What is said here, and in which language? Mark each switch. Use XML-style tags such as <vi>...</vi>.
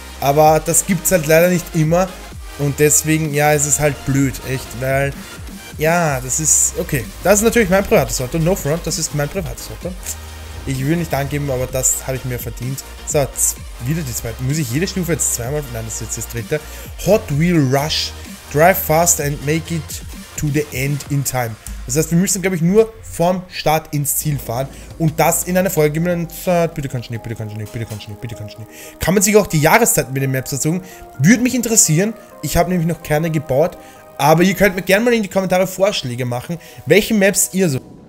<de>Aber das gibt's halt leider nicht immer. Und deswegen, ja, es ist halt blöd, echt, weil, ja, das ist, okay. Das ist natürlich mein privates Auto, No Front, das ist mein privates Auto. Ich will nicht angeben, aber das habe ich mir verdient. So, wieder die zweite, muss ich jede Stufe jetzt zweimal, nein, das ist jetzt das dritte.</de> <en>Hot Wheel Rush, drive fast and make it to the end in time.</en> <de>Das heißt, wir müssen, glaube ich, nur vorm Start ins Ziel fahren und das in einer Folge geben. Bitte kein Schnee, bitte kein Schnee, bitte kein Schnee, bitte kein Schnee. Kann man sich auch die Jahreszeiten mit den Maps dazu? Würde mich interessieren. Ich habe nämlich noch keine gebaut. Aber ihr könnt mir gerne mal in die Kommentare Vorschläge machen, welche Maps ihr so.</de>